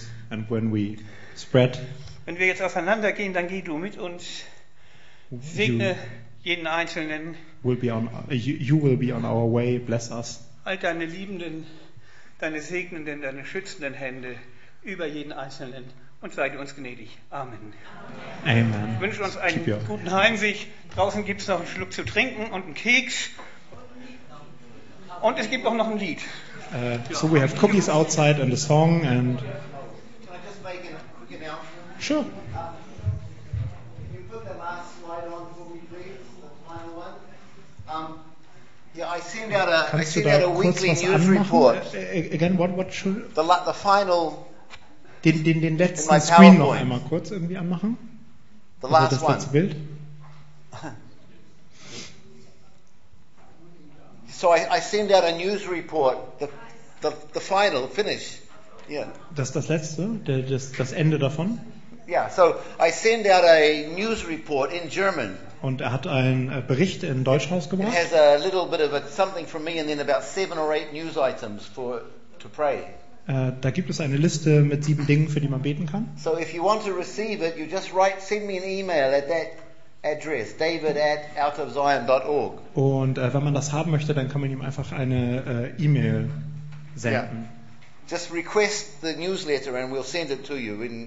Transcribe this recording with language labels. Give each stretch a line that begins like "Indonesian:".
German: Wenn wir jetzt auseinander gehen, dann geh du mit und segne jeden Einzelnen.
English: You will be on our way, bless us.
German: All deine liebenden, deine segnenden, deine schützenden Hände über jeden Einzelnen und sei uns gnädig. Amen. Amen. Ich wünsche uns einen guten Heimweg. Draußen gibt es noch einen Schluck zu trinken und einen Keks. Und es gibt auch noch ein Lied.
English: So we have cookies outside and a song and... Can I just make a quick announcement? Sure. Can you put the last slide on for me, please? The final one? Yeah, I send out a weekly news report. Again, what should... The final...
German: Den letzten
English: in my
German: PowerPoint. Screen noch einmal kurz irgendwie anmachen.
English: The last one.
German: Das letzte Bild.
English: So I send out a news report, the final, finish. Yeah.
German: Das letzte, das Ende davon?
English: Yeah, so I send out a news report in German.
German: Und hat einen Bericht in Deutsch rausgebracht?
English: It has a little bit of a something from me and then about 7 or 8 news items to pray.
German: Da gibt es eine Liste mit 7 Dingen, für die man beten kann.
English: So if you want to receive it, you just send me an email at that address, david@outofzion.org.
German: Und wenn man das haben möchte, dann kann man ihm einfach eine E-Mail senden.
English: Yeah. Just request the newsletter and we'll send it to you.